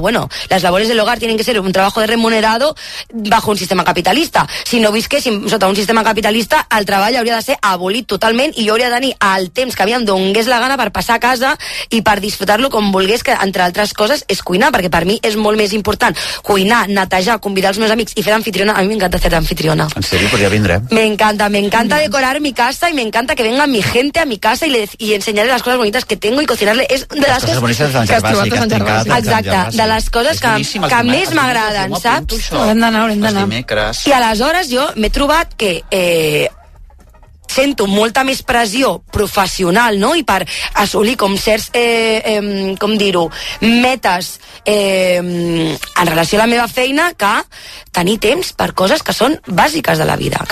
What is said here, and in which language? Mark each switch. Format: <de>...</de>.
<es>Bueno, las labores del hogar tienen que ser un trabajo remunerado bajo un sistema capitalista.</es> <ca>Si no visquéssim sota un sistema capitalista, el treball hauria de ser abolit totalment i jo hauria de tenir el temps que aviam donés la gana per passar a casa i per disfrutar-lo com volgués, que entre altres coses és cuinar, perquè per mi és molt més important cuinar, netejar, convidar els meus amics i fer d'anfitriona. A mi m'encanta ser d'anfitriona. En serio, podria vindre.</ca> <es>M'encanta decorar mi casa i m'encanta que venga mi gente a mi casa y enseñarle las cosas bonitas que tengo y cocinarle. Es de las cosas</es> <ca>bonitas que has trobat a Sant Gervasi. Exacte, de les coses que més m'agraden, saps? Hem d'anar. I aleshores jo m'he trobat que sento molta més pressió professional, no? I per assolir com certs, com dir-ho, metes en relació a la meva feina, que tenir temps per coses que són bàsiques de la vida.</ca>